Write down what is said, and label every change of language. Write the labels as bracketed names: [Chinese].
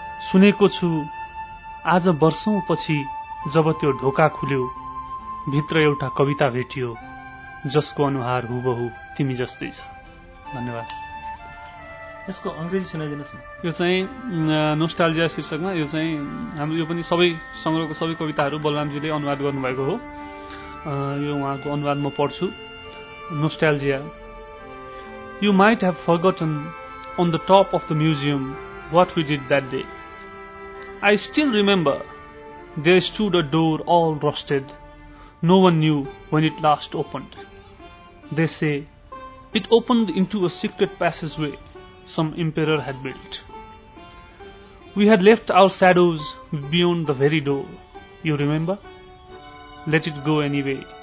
[Nepali] सुनेको छु आज वर्षौं पछि जब त्यो ढोका खुल्यो भित्र एउटा कविता भेटियो जसको अनुहार हुबहु तिमी जस्तै छ। धन्यवाद। यसको अङ्ग्रेजी सुनाइदिनुहोस् न। यो चाहिँ नोस्टाल्जिया शीर्षकमा, यो चाहिँ हाम्रो यो पनि सबै सङ्ग्रहको सबै कविताहरू बलरामजीले अनुवाद गर्नुभएको हो। यो उहाँको अनुवाद म पढ्छु। [English] Nostalgia. You might have forgotten on the top of the museum what we did that day. I still remember There stood a door all rusted. No one knew when it last opened. They say it opened into a secret passageway some emperor had built. We had left our shadows beyond the very door. You remember? Let it go anyway.